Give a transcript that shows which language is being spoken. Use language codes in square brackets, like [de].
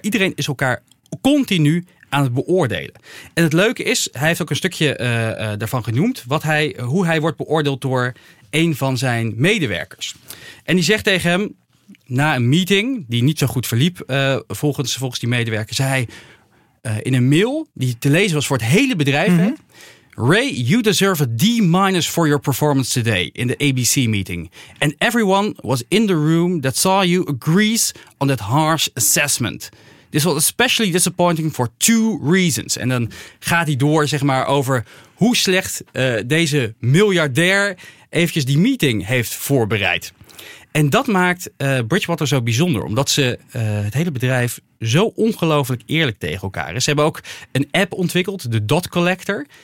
[nl] Iedereen is elkaar continu aan het beoordelen. En het leuke is, hij heeft ook een stukje daarvan genoemd, hoe hij wordt beoordeeld door een van zijn medewerkers. En die zegt tegen hem, na een meeting die niet zo goed verliep, volgens die medewerker, zei hij in een mail die te lezen was voor het hele bedrijf. Mm-hmm. [en] Ray, you deserve a D- for your performance today in the ABC meeting. And everyone was in the room that saw you agrees on that harsh assessment. This was especially disappointing for two reasons. [nl] En dan gaat hij door, zeg maar, over hoe slecht deze miljardair eventjes die meeting heeft voorbereid. En dat maakt Bridgewater zo bijzonder. Omdat ze het hele bedrijf zo ongelooflijk eerlijk tegen elkaar is. Ze hebben ook een app ontwikkeld, de Dot Collector.